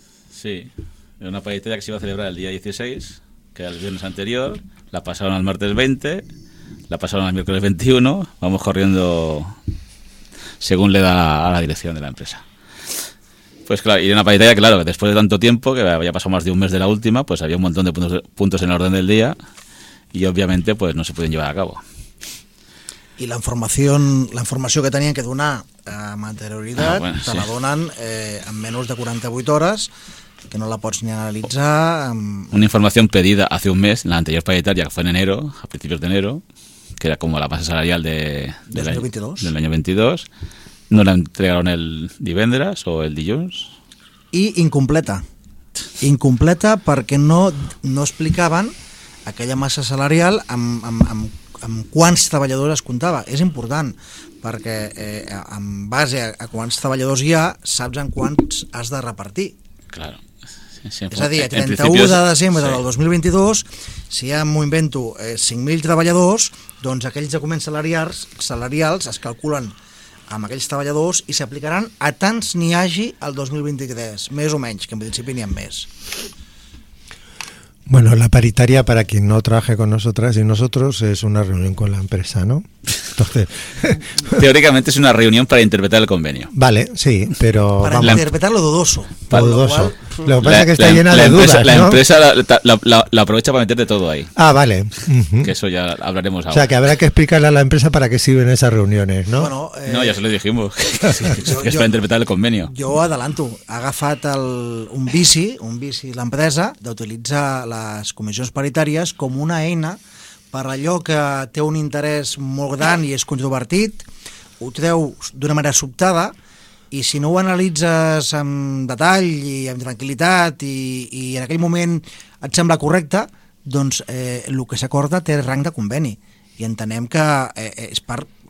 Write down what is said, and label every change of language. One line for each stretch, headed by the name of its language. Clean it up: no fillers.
Spanish: Sí, una paritaria que se iba a celebrar el día 16, que era el viernes anterior, la pasaron al martes 20, la pasaron al miércoles 21, vamos corriendo según le da a la dirección de la empresa. Pues claro, y una paritaria, claro, que después de tanto tiempo, que había pasado más de un mes de la última, pues había un montón de puntos en el orden del día y obviamente pues no se pueden llevar a cabo. Y la información
Catalan: que tenien que donar amb anterioritat, bueno, te la donen en menys de 48 hores, que no la pots ni analitzar.
Spanish: Una informació pedida hace un mes, la anterior paritaria, que fue en enero, a principios de enero, que era como la base salarial del año 22, no la entregaron
Catalan: el divendres o el dilluns. I incompleta. Incompleta perquè no explicaven aquella massa salarial amb quants treballadors es comptava. És important, perquè en base a quants treballadors hi ha, saps en quants has de repartir.
Spanish: Claro.
Catalan: Sí, és a dir, 31 de desembre del 2022, si ja m'ho invento, 5.000 treballadors, doncs aquells documents salarials es calculen amb aquells treballadors i s'aplicaran a tants n'hi hagi el 2023, més o menys, que en principi n'hi ha més.
Spanish: Bueno, la paritaria, para quien no trabaje con nosotras y nosotros, es una reunión con la empresa, ¿no? Entonces, teóricamente es una reunión para interpretar el convenio. Vale, sí, pero para vamos, interpretar lo dudoso. Lo dudoso. Lo que pasa es que está llena de empresa, dudas, ¿no? La empresa la aprovecha para meterte todo ahí. Ah, vale. Uh-huh. Que eso ya hablaremos ahora. O sea, que habrá que explicarle a la empresa para qué sirven esas reuniones, ¿no? Bueno, no, ya se lo dijimos. Es para interpretar el convenio. Yo adelanto.
Catalan: Ha agafat un bici la empresa d'utilitzar les comissions paritàries com una eina per allò que té un interès molt gran i és controvertit, ho treu d'una manera sobtada i si no ho analitzes amb detall i amb tranquil·litat i en aquell moment et sembla correcte, doncs el que s'acorda té rang de conveni i entenem que és per